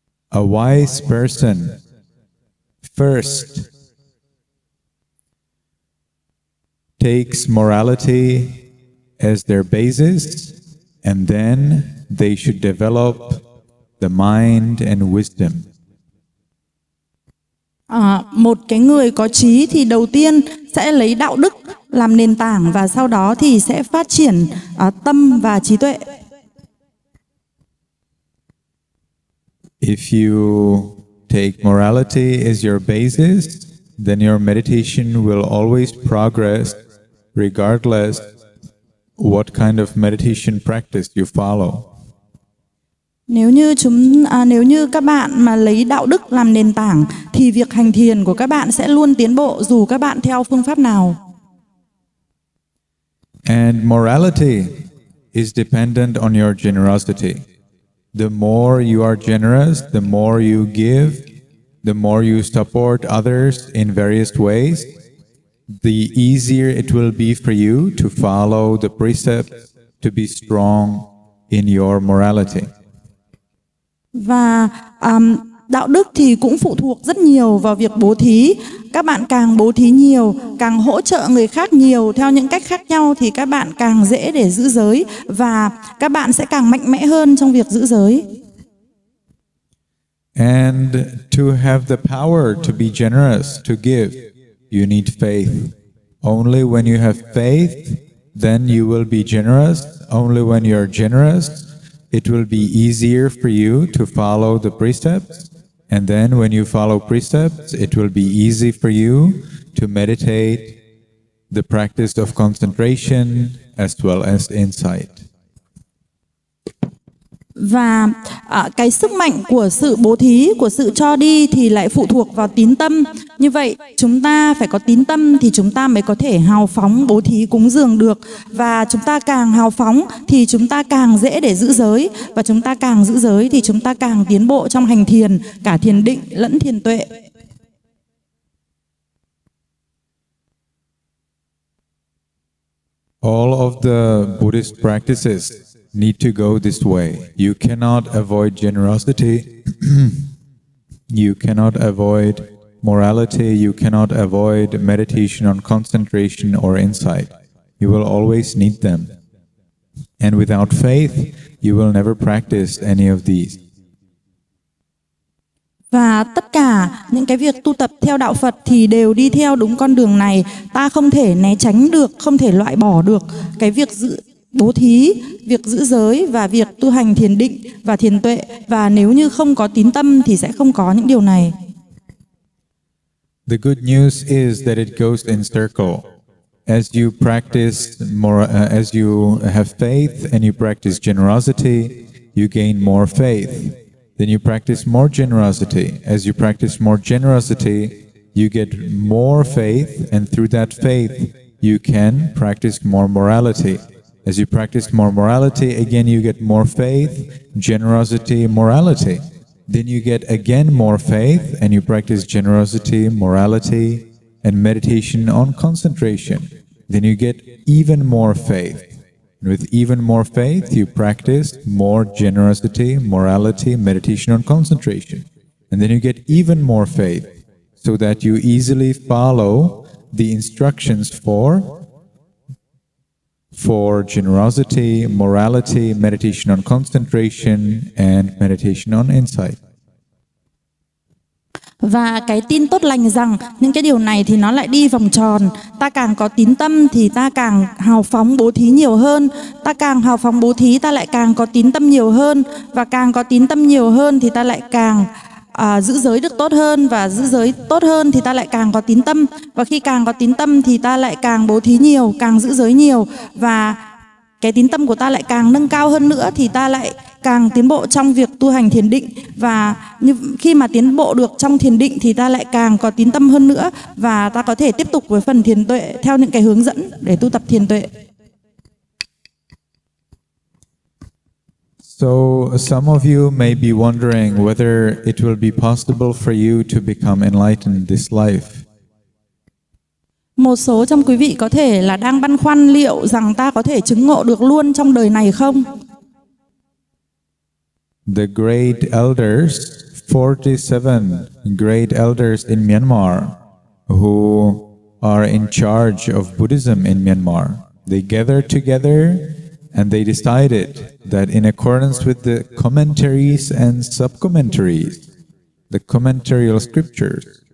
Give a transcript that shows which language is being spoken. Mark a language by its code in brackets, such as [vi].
[en] A wise person first takes morality as their basis, and then they should develop the mind and wisdom. [vi] Một cái người có trí thì đầu tiên sẽ lấy đạo đức làm nền tảng và sau đó thì sẽ phát triển tâm và trí tuệ. [en] If you take morality as your basis, then your meditation will always progress regardless what kind of meditation practice you follow. [vi] Nếu như các bạn mà lấy đạo đức làm nền tảng thì việc hành thiền của các bạn sẽ luôn tiến bộ dù các bạn theo phương pháp nào. [en] And morality is dependent on your generosity. The more you are generous, the more you give, the more you support others in various ways, the easier it will be for you to follow the precepts to be strong in your morality. [vi] Và đạo đức thì cũng phụ thuộc rất nhiều vào việc bố thí. Các bạn càng bố thí nhiều, càng hỗ trợ người khác nhiều theo những cách khác nhau thì các bạn càng dễ để giữ giới và các bạn sẽ càng mạnh mẽ hơn trong việc giữ giới. [en] And to have the power to be generous, to give, you need faith. Only when you have faith, then you will be generous. Only when you are generous, it will be easier for you to follow the precepts, and then when you follow precepts, it will be easy for you to meditate the practice of concentration as well as insight. [vi] Và cái sức mạnh của sự bố thí, của sự cho đi thì lại phụ thuộc vào tín tâm. Như vậy, chúng ta phải có tín tâm thì chúng ta mới có thể hào phóng bố thí cúng dường được. Và chúng ta càng hào phóng thì chúng ta càng dễ để giữ giới. Và chúng ta càng giữ giới thì chúng ta càng tiến bộ trong hành thiền, cả thiền định lẫn thiền tuệ. [en] All of the Buddhist practices need to go this way. You cannot avoid generosity. You cannot avoid morality. You cannot avoid meditation on concentration or insight. You will always need them. And without faith, you will never practice any of these. [vi] Và tất cả những cái việc tu tập theo đạo Phật thì đều đi theo đúng con đường này. Ta không thể né tránh được, không thể loại bỏ được cái việc giữ bố thí, việc giữ giới và việc tu hành thiền định và thiền tuệ. Và nếu như không có tín tâm thì sẽ không có những điều này. [en] The good news is that it goes in circle. As you practice more, as you have faith and you practice generosity, you gain more faith. Then you practice more generosity. As you practice more generosity, you get more faith, and through that faith, you can practice more morality. As you practice more morality, again you get more faith, generosity, morality. Then you get again more faith, and you practice generosity, morality, and meditation on concentration. Then you get even more faith. And with even more faith, you practice more generosity, morality, meditation on concentration. And then you get even more faith, so that you easily follow the instructions for generosity, morality, meditation on concentration, and meditation on insight. [vi] Và cái tin tốt lành rằng những cái điều này thì nó lại đi vòng tròn. Ta càng có tín tâm thì ta càng hào phóng bố thí nhiều hơn. Ta càng hào phóng bố thí, ta lại càng có tín tâm nhiều hơn. Và càng có tín tâm nhiều hơn thì ta lại càng giữ giới được tốt hơn. Và giữ giới tốt hơn thì ta lại càng có tín tâm. Và khi càng có tín tâm thì ta lại càng bố thí nhiều, càng giữ giới nhiều. Và cái tín tâm của ta lại càng nâng cao hơn nữa thì ta lại càng tiến bộ trong việc tu hành thiền định. Và như khi mà tiến bộ được trong thiền định thì ta lại càng có tín tâm hơn nữa và ta có thể tiếp tục với phần thiền tuệ theo những cái hướng dẫn để tu tập thiền tuệ. [en] So some of you may be wondering whether it will be possible for you to become enlightened this life. [vi] Một số trong quý vị có thể là đang băn khoăn liệu rằng ta có thể chứng ngộ được luôn trong đời này không? [en] The great elders, 47 great elders in Myanmar, who are in charge of Buddhism in Myanmar, they gathered together and they decided that in accordance with the commentaries and sub-commentaries, the commentarial scriptures,